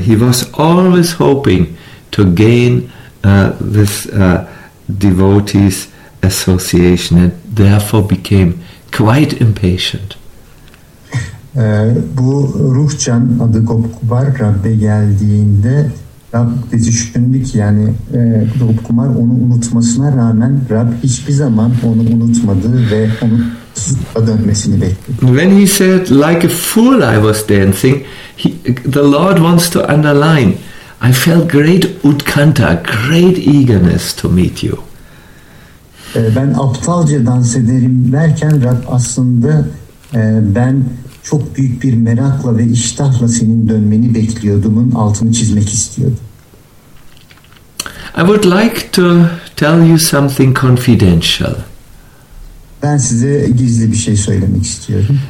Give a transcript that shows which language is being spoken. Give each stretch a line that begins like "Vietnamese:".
English: He was always hoping to gain this devotee's association and therefore became quite impatient.
Turkish: Bu Ruhcan adı Gop Kumar Rabbe geldiğinde Rab düşündü ki yani Rup Kumar onu unutmasına rağmen Rab hiçbir zaman onu unutmadı ve onu dönmesini bekledi.
English: When he said like a fool I was dancing, the Lord wants to underline, I felt great utkanta, great eagerness to meet you.
Turkish: Ben aptalca dans ederim derken Rab aslında ben çok büyük bir merakla ve iştahla senin dönmeni bekliyordumun altını çizmek istiyordum.
English: I would like to tell you something confidential.
Turkish: Ben size gizli bir şey söylemek istiyorum.